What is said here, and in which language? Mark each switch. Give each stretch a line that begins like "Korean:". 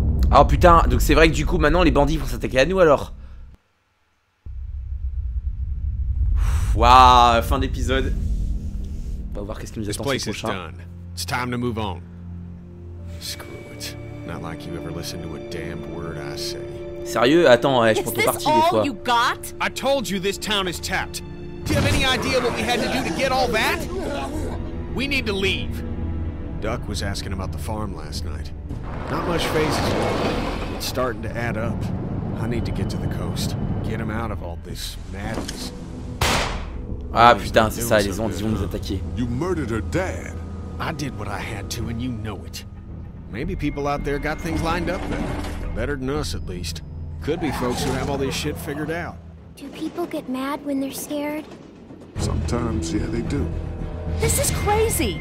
French: Oh putain, donc c'est vrai que du coup maintenant les bandits vont s'attaquer à nous alors. Waouh, fin d'épisode. On va voir qu'est-ce qui nous attend ce prochain.
English: It's time to move on. Screw it. Not like you ever listen to a damn word I say.
French: Sérieux, attends, je prends ton parti des fois.
English: I told you this town is tapped. Do you have any idea what we had to do to get all that? We need to leave. Duck was asking about the farm last night. Not much phase is going on, but it's starting to add up. I need to get to the coast. Get him out of all this madness.
French: Ah putain, c'est ça, les ondes, ils vont nous attaquer.
English: You murdered her dad. I did what I had to and you know it. Maybe people out there got things lined up better. Better than us, at least. Could be folks who have all this shit figured out. Do people get mad when they're scared? Sometimes, yeah, they do. This is crazy!